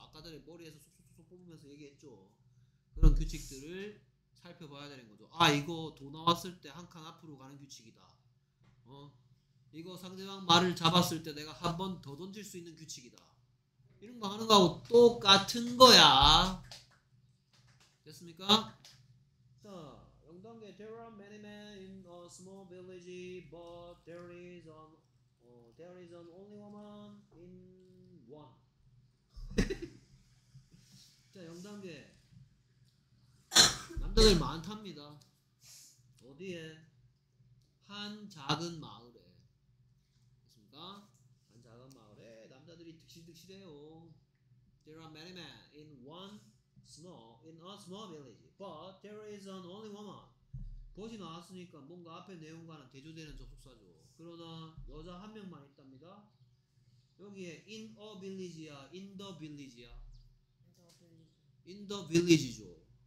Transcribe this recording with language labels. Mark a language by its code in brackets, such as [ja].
[ko] 아까 전에 머리에서 쏙쏙쏙 뽑으면서 얘기했죠. 그런 규칙들을 살펴봐야 되는 거죠. 아, 이거 도 나왔을 때 한 칸 앞으로 가는 규칙이다. 이거 상대방 말을 잡았을 때 내가 한 번 더 던질 수 있는 규칙이다. 이런 거 하는 거하고 똑같은 거야. 됐습니까? [en] 자, 0단계 There are many men in a small village but there is a There is an only woman in one. [ko] 자, 0단계. 남자들 많답니다. 어디에? 한 작은 마을에. 됐습니까? 한 작은 마을에 남자들이 득실득실해요. [en] There are many men in a small village. But there is an only woman. [ko] 버지 나왔으니까 뭔가 앞에 내용과는 대조되는 접속사죠. 그러나 여자 한 명만 있답니다. 여기에 in a village야, in the village야? [en] In the village. In the village죠.